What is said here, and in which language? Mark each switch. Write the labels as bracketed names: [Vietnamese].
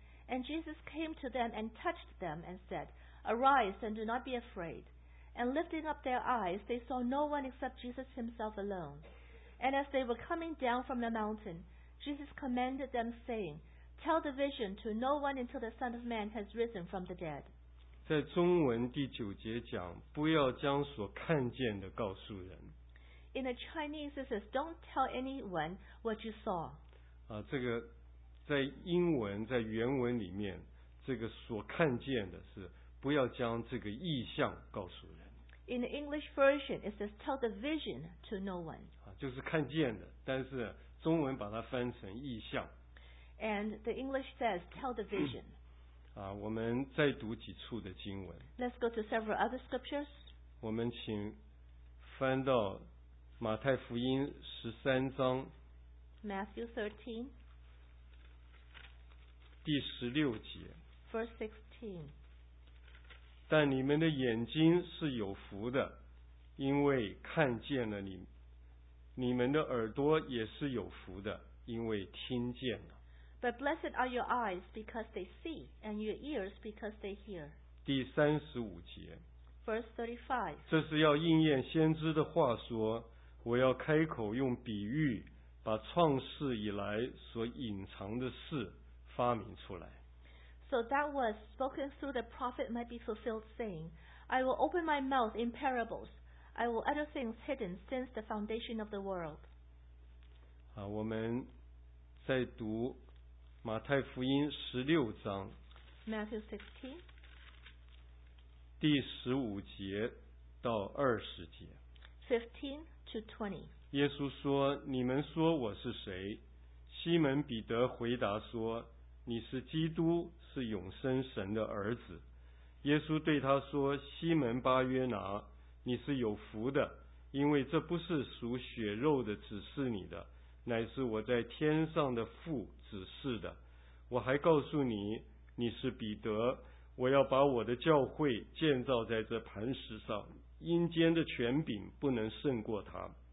[English] And Jesus came to them and touched them and said, Arise and do not be afraid. And lifting up their eyes, they saw no one except Jesus himself alone. And as they were coming down from the mountain, Jesus commanded them, saying, Tell the vision to no one until the Son of Man has risen from the dead. [Chinese] 在中文第九节讲，不要将所看见的告诉人。 [English] In the Chinese, it says, "Don't tell anyone what you saw." [Chinese] 啊，这个在英文在原文里面，这个所看见的是不要将这个异象告诉人。 [English] In the English version, it says, "Tell the vision to no one." [Chinese] 啊，就是看见的，但是中文把它翻成异象。 [English] And the English says, "Tell the vision." [Chinese] 啊，我们再读几处的经文。 [English] Let's go to several other scriptures. [Chinese] 我们请翻到马太福音十三章。 [English] Matthew 13. [Chinese] 第十六节。 [English] Verse 16. [Chinese] 但你们的眼睛是有福的，因为看见了你；你们的耳朵也是有福的，因为听见了。 [English] But blessed are your eyes because they see, and your ears because they hear. [Chinese] 第三十五节。 [English] Verse 35. [Chinese] 这是要应验先知的话说，我要开口用比喻，把创世以来所隐藏的事发明出来。 [English] So that was spoken through the prophet might be fulfilled saying, I will open my mouth in parables. I will utter things hidden since the foundation of the world. [Chinese] 啊，我们在读马太福音十六章 [English] Matthew 16 [Chinese] 第十五节到二十节 [English] 15 to 20 [Chinese] 耶稣说你们说我是谁西门彼得回答说你是基督是永生神的儿子耶稣对他说西门巴约拿你是有福的因为这不是属血肉的指示你的乃是我在天上的父指示的我还告诉你你是彼得我要把我的教会建造在这磐石上阴间的权柄不能胜过他